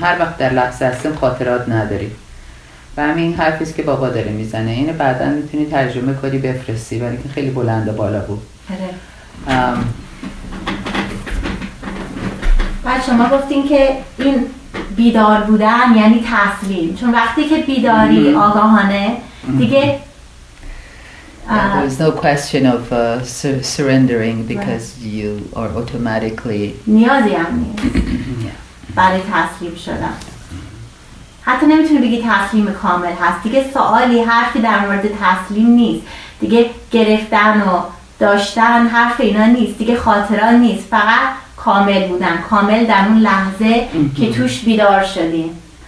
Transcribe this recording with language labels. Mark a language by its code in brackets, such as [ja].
[fa] هر وقت در لحظه هستیم خاطرات نداریم. و همین حرفی است که بابا داره میزنه، اینو بعدا میتونی ترجمه کنی بفرستی، ولی که خیلی بلند و بالا بود. بعد شما گفتین که این بیدار بودن یعنی تسلیم، چون وقتی که بیداری آگاهانه دیگه [en] There's no question of surrendering because you are automatically [fa] نیازی هم نیست برای تسلیم شدن. حتی نمیتونی بگی تسلیم کامل هست دیگه، سوالی حرفی در مورد تسلیم نیست دیگه، گرفتن و داشتن حرف اینا نیست دیگه، خاطره نیست، فقط کامل بودن، کامل در اون لحظه که توش بیدار شدیم.